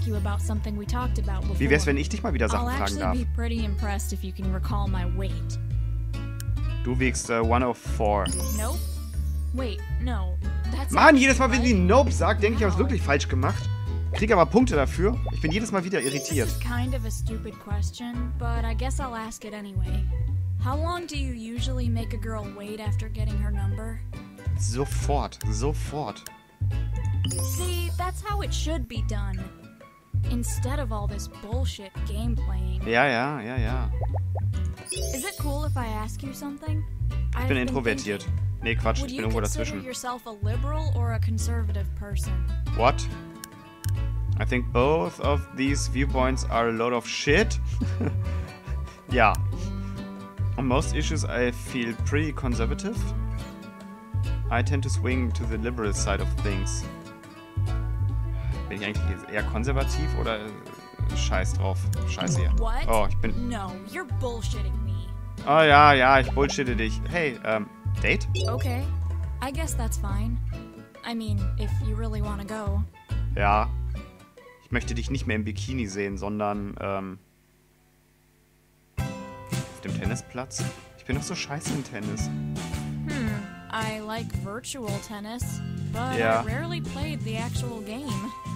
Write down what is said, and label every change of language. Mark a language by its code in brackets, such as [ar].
[de] Wie wär's, wenn ich dich mal wieder Sachen fragen darf? [en] I'll actually be pretty impressed if you can recall my weight. [de] Du wiegst 104. [en] Nope. Wait, no. That's [de] Mann, jedes Mal, wenn sie Nope sagt, denke ich, habe es wirklich falsch gemacht. Krieg aber Punkte dafür. Ich bin jedes Mal wieder irritiert. [en] This is kind of a stupid question, but I guess I'll ask it anyway. How long do you usually make a girl wait after getting her number? [de] Sofort, sofort. [en] See, that's how it should be done. Instead of all this bullshit game playing. [de] Ja. [en] Is it cool if I ask you something? [de] Ich bin introvertiert. Nee, Quatsch, ich bin irgendwo dazwischen. [en] Would you consider yourself a liberal or a conservative person? What? I think both of these viewpoints are a lot of shit. [de] Ja. [en] On most issues I feel pretty conservative. I tend to swing to the liberal side of things. [de] Bin ich eigentlich jetzt eher konservativ oder scheiß drauf? Scheiße hier. [en] What? [de] Oh, ich bin... [en] No, you're bullshitting me. [de] Oh ja, ja, ich bullshitte dich. Hey, Date? [en] Okay, I guess that's fine. I mean, if you really want to go. [de] Ja, ich möchte dich nicht mehr im Bikini sehen, sondern, auf dem Tennisplatz. Ich bin doch so scheiße im Tennis. [en] I like virtual tennis, but ja. I rarely played the actual game.